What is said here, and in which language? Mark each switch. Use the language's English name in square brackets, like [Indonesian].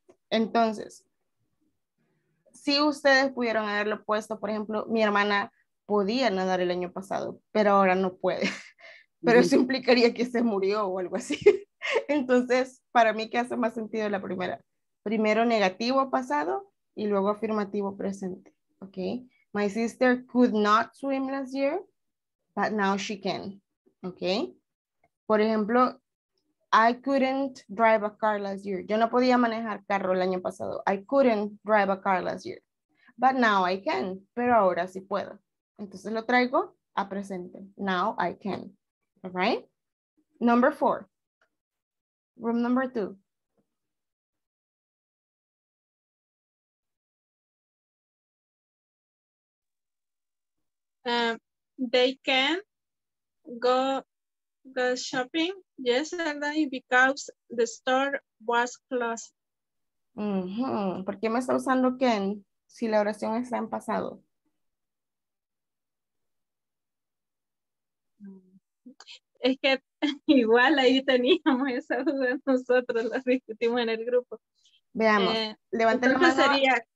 [Spanish] Entonces, si ustedes pudieron haberlo puesto, por ejemplo, mi hermana podía nadar el año pasado, pero ahora no puede. Pero eso implicaría que se murió o algo así. Entonces, para mí que hace más sentido la primera. Primero negativo pasado y luego afirmativo presente. Okay. [English] My sister could not swim last year, but now she can. Okay. [Spanish] Por ejemplo, [English] I couldn't drive a car last year. [Spanish] Yo no podía manejar carro el año pasado. [English] I couldn't drive a car last year. But now I can. [Spanish] Pero ahora sí puedo. Entonces lo traigo a presente. [English] Now I can. All right? Number four. Room number two. They can go shopping yesterday because the store was closed. [Spanish] ¿Por qué me está usando can si la oración está en pasado? Es que igual ahí teníamos esa duda, nosotros la discutimos en el grupo. Veamos, levante la mano. Sería...